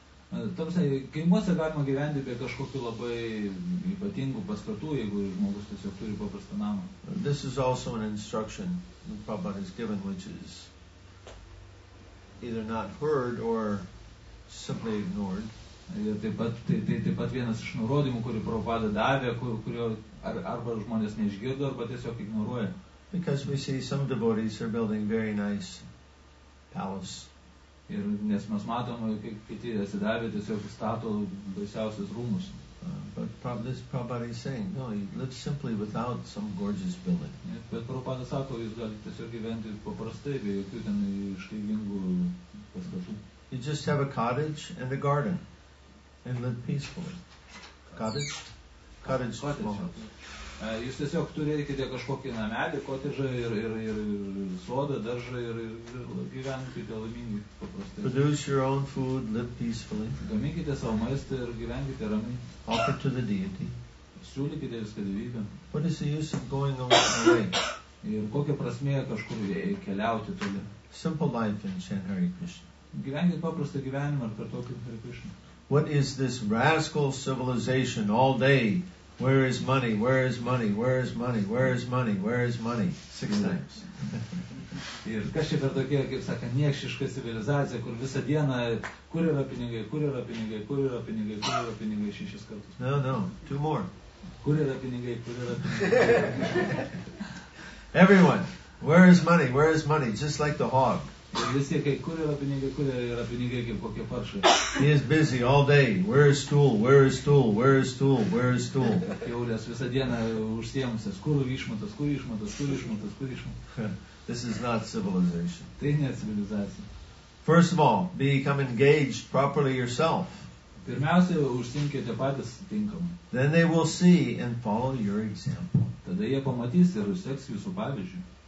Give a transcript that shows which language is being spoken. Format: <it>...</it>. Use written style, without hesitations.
<lt>Kaimuose galima gyventi be kažkokių labai ypatingų paskatų, jeigu žmogus tiesiog turi paprastą namą.</lt> <en>This is also an instruction that Prabhupada has given, which is either not heard or simply ignored.</en> <lt>Taip pat vienas iš nurodymų, kurį Prabhupada davė, kurio arba žmonės neišgirdo, arba tiesiog ignoruoja.</lt> <en>Because we see some devotees are building very nice palace.</en> <lt>Ir nes mes matom, kaip kiti atsidavė, tiesiog stato baisiausius rūmus.</lt> <en>But this Prabhupada is saying, no, you live simply without some gorgeous building.</en> <lt>Bet Prabhupada sako, jūs galite tiesiog gyventi paprastai, be jokių ten iškilmingų pastatų.</lt> <en>You just have a cottage and a garden and live peacefully. Cottage? Cottage smallhouse.</en> <lt>Jūs tiesiog turėkite kažkokį namelį, kotežą ir sodą, daržą ir gyvenkite laimingai paprastai.</lt> <en>Produce your own food, live peacefully.</en> <lt>Gaminkite savo maistą ir gyvenkite ramiai.</lt> <en>Offer to the deity.</en> <lt>Siūlykite viską dievybėm.</lt> <en>What is the use of going away?</en> <lt>Ir kokia prasmė kažkur keliauti toli.</lt> <en>Simple life in Chan Hare Krishna.</en> <lt>Gyvenkit paprastą gyvenimą ir kartu kaip Hare Krishna.</lt> <en>What is this rascal civilization all day? Where is money? Where is money? Where is money? Where is money? Where is money? Six times.</en> <lt>Ir kas čia per tokia, kaip sakė, niekšiška civilizacija, kur visą dieną, kur yra pinigai, kur yra pinigai, kur yra pinigai, kur yra pinigai, šešis kartus.</lt> <en>No, no, two more.</en> <lt>Kur yra pinigai, kur yra pinigai.</lt> <en>Everyone, where is money, where is money, just like the hog.</en> <lt>Ir visi, kai kur yra pinigai, kaip kokie paršai.</lt> <en>He is busy all day, where is stool, where is stool, where is stool, where is stool.</en> <lt>Kiaulės visą dieną užsiemusias, kur išmatas, kur išmatas, kur išmatas, kur išmatas.</lt> <en>This is not civilization.</en> <lt>Tai ne civilizacija.</lt> <en>First of all, become engaged properly yourself.</en> <lt>Pirmiausia, užsiimkite patys tinkamai.</lt> <en>Then they will see and follow your example.</en> <lt>Tada jie pamatys ir seks jūsų pavyzdžiui.</lt>